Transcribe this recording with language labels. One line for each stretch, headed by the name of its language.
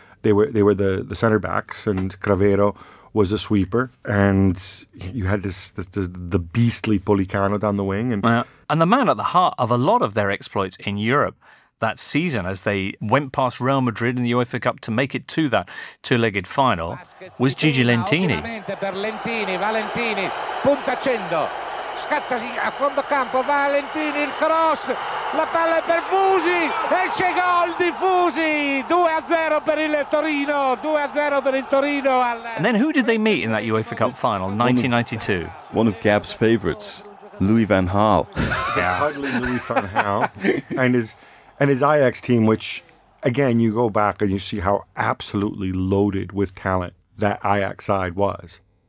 English: They were the center backs, and Cravero was a sweeper, and you had the beastly Policano down the wing, and the man at the heart of a lot of their exploits in Europe, that season as they went past Real Madrid in the UEFA Cup to make it to that two-legged final was Gigi Lentini.
Italian: Valentini, punta accendo. Scattasi a fondo campo, Valentini, il cross, la palla è per Fusi, e c'è gol di Fusi, 2-0 per il Torino, 2-0 per il Torino.
English: And then who did they meet in that UEFA Cup final, 1992? One of Gab's favourites, Louis van Gaal. Yeah. Hardly Louis van Gaal, and his Ajax team, which, again, you go back and you see how absolutely loaded with talent that Ajax side was.